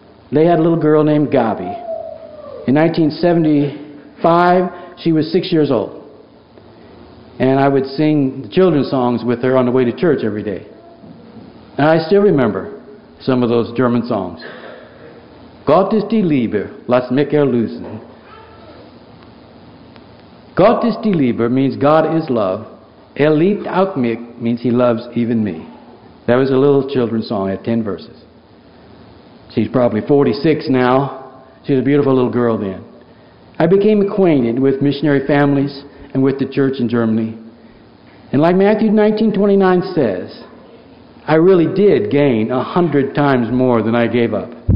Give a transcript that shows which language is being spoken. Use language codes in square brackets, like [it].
[en] They had a little girl named Gabi. In 1975, she was 6 years old. And I would sing children's songs with her on the way to church every day. And I still remember some of those German songs. [de] Gott ist die Liebe, lass mich erlösen. Gott ist die Liebe [en] means God is love. [de] Er liebt auch mich [en] means he loves even me. That was a little children's song, had 10 verses. She's probably 46 now. She was a beautiful little girl then. I became acquainted with missionary families and with the church in Germany. And like Matthew 19:29 says, I really did gain 100 times more than I gave up.